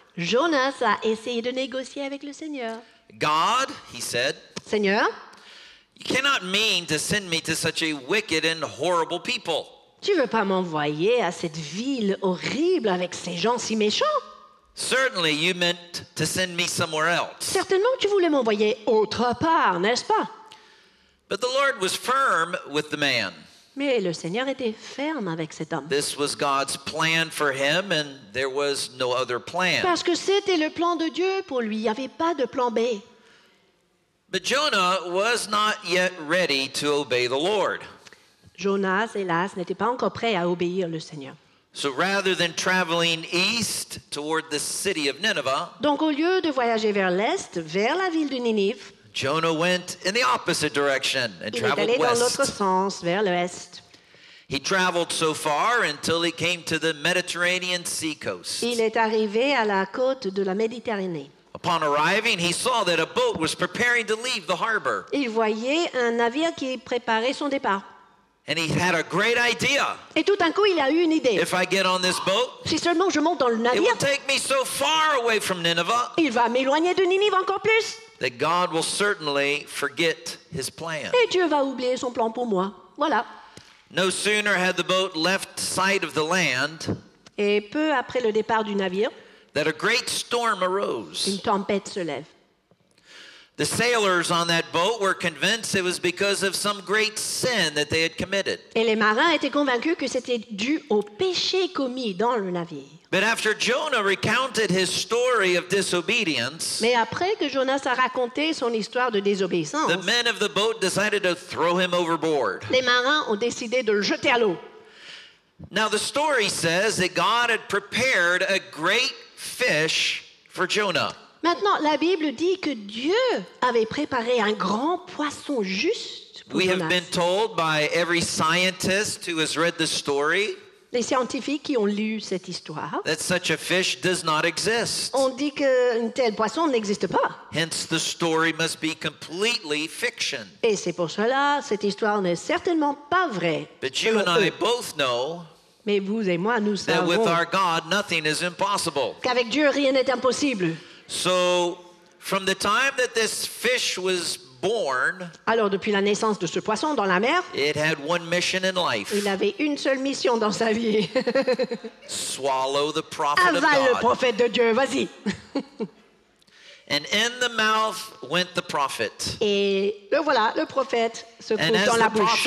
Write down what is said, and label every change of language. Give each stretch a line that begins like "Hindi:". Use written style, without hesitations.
French: Jonas a essayé de négocier avec le Seigneur.
English: God, he said,
French: Seigneur,
English: you cannot mean to send me to such a wicked and horrible people.
French: Tu veux pas m'envoyer à cette ville horrible avec ces gens si méchants?
English: Certainly you meant to send me somewhere else.
French: Certainement tu voulais m'envoyer autre part, n'est-ce pas?
English: But the Lord was firm with the man.
French: Mais le Seigneur était ferme avec cet homme.
English: This was God's plan for him and there was no other plan.
French: Parce que c'était le plan de Dieu pour lui, il n'y avait pas de plan B.
English: But Jonah was not yet ready to obey the Lord.
French: Jonas, hélas, n'était pas encore prêt à obéir le Seigneur.
English: So rather than traveling east toward the city of Nineveh,
French: donc au lieu de voyager vers l'est, vers la ville de Ninive,
English: Jonah went in the opposite direction and traveled west.
French: Il est allé dans l'autre sens, vers l'ouest.
English: He traveled so far until he came to the Mediterranean sea coast.
French: Il est arrivé à la côte de la Méditerranée.
English: Upon arriving, he saw that a boat was preparing to leave the harbor.
French: Il voyait un navire qui préparait son départ.
English: And he had a great idea.
French: Et tout d'un coup, il a eu une idée.
English: If I get on this boat,
French: si seulement je monte dans le navire,
English: it will take me so far away from Nineveh,
French: il va m'éloigner de Ninive encore plus,
English: that God will certainly forget his plan.
French: Et Dieu va oublier son plan pour moi. Voilà.
English: No sooner had the boat left sight of the land,
French: et peu après le départ du navire,
English: that a great storm arose.
French: Une tempête se lève.
English: The sailors on that boat were convinced it was because of some great sin that they had committed.
French: Et les marins étaient convaincus que c'était dû au péché commis dans le navire.
English: But after Jonah recounted his story of disobedience,
French: mais après que Jonas a raconté son histoire de désobéissance,
English: the men of the boat decided to throw him overboard.
French: Les marins ont décidé de le jeter à l'eau.
English: Now the story says that God had prepared a great fish for Jonah.
French: Maintenant, la Bible dit que Dieu avait préparé un grand poisson juste pour Jonas.
English: We have been told by every scientist who has read the story.
French: Les scientifiques qui ont lu cette histoire.
English: That such a fish does not exist.
French: On dit que un tel poisson n'existe pas.
English: Hence, the story must be completely fiction.
French: Et c'est pour cela, cette histoire n'est certainement pas vraie.
English: But you and I both know.
French: Mais vous et moi, nous savons.
English: That with our God, nothing is impossible.
French: Qu'avec Dieu, rien n'est impossible.
English: So, from the time that this fish was born,
French: alors depuis la naissance de ce poisson dans la mer,
English: it had one mission in life.
French: Il avait une seule mission dans sa vie.
English: Swallow the prophet
French: avale
English: of God.
French: Avale le prophète de Dieu, vas-y.
English: And in the mouth went the prophet.
French: Et le voilà, le prophète se trouve dans la bouche.